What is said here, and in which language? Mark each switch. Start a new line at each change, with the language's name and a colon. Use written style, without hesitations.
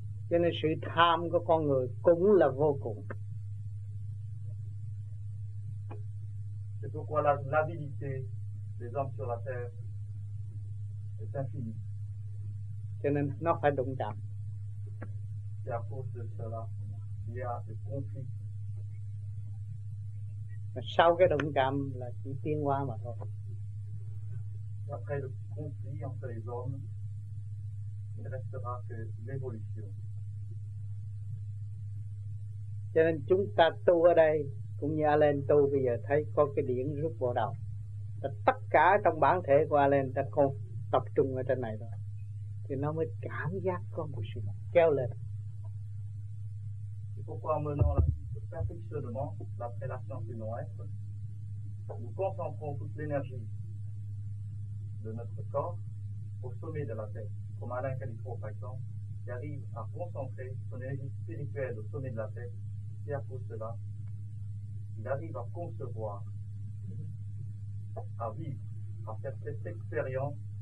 Vietnamese: Cho nên sự tham của con người cũng là vô cùng.
French: C'est pourquoi l'avidité des hommes sur la terre est infinie.
Vietnamese: Cho nên nó phải đụng chạm.
French: Et à cause de cela, il y a des conflits.
Vietnamese: Mà sau cái đụng chạm là chỉ tiến qua mà thôi.
French: Et après le conflit entre les hommes, il ne restera que l'évolution.
Vietnamese: Cho nên chúng ta tu ở đây cũng như Alan tu bây giờ thấy có cái điển rút bộ đầu. Tất cả trong bản thể của Alan ta còn tập trung ở trên này rồi. Thì nó mới cảm giác có một sự kéo lên.
French: Et pourquoi en menant le perfectionnement d'après la science du non-être, nous concentrons toute l'énergie de notre corps au sommet de la tête, comme Alain Calipo, par exemple, qui arrive à concentrer son énergie spirituelle au sommet de la tête, et à cause de cela, il arrive à concevoir, à vivre, à faire cette expérience.